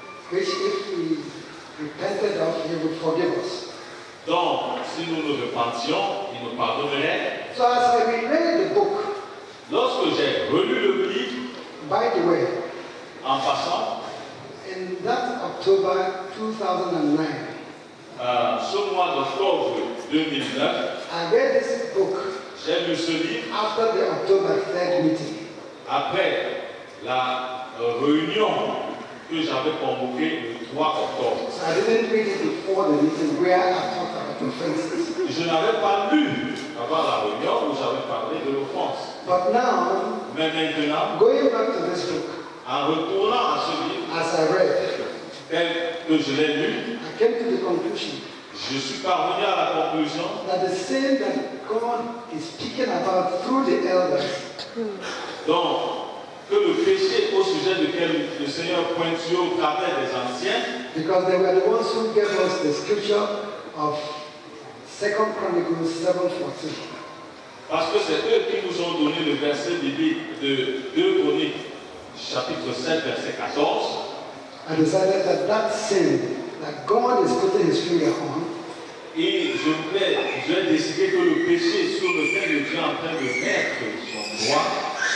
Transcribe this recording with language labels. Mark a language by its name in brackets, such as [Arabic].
[English] Which if we repented of, he would forgive us. [French] Donc, si nous nous repentions, il nous pardonnerait. [English] So as I read the book. [French] Lorsque j'ai relu le livre. [English] By the way. [French] En passant. [English] In that October 2009. [French] Ce mois d'octobre 2009, [English] I read this book. [French] J'ai lu ce livre [English] after the October 3rd meeting. [French] Après la réunion que j'avais convoquée le 3 octobre. [English] So I didn't read it before the meeting where I talked about offenses. [French] Je n'avais pas lu avant la réunion où j'avais parlé de l'offense. [English] But now, [French] mais maintenant, [English] going back to this book, [French] en retournant à ce livre, [English] as I read, [French] tel que je l'ai lu, [English] came to the conclusion, [French] je suis parvenu à la conclusion [English] that the sin that God is speaking about through the elders, [French] donc que le péché au sujet duquel le Seigneur pointe au travers des anciens, [English] because they were the ones who gave us the scripture of 2 Chronicles 7:14. [French] Parce que c'est eux qui nous ont donné le verset biblique de 2 Chroniques chapitre 7 verset 14. [English] I decided that sin that God is putting his finger on, [French] et je vais décider que le péché sur lequel je suis en train de mettre son doigt,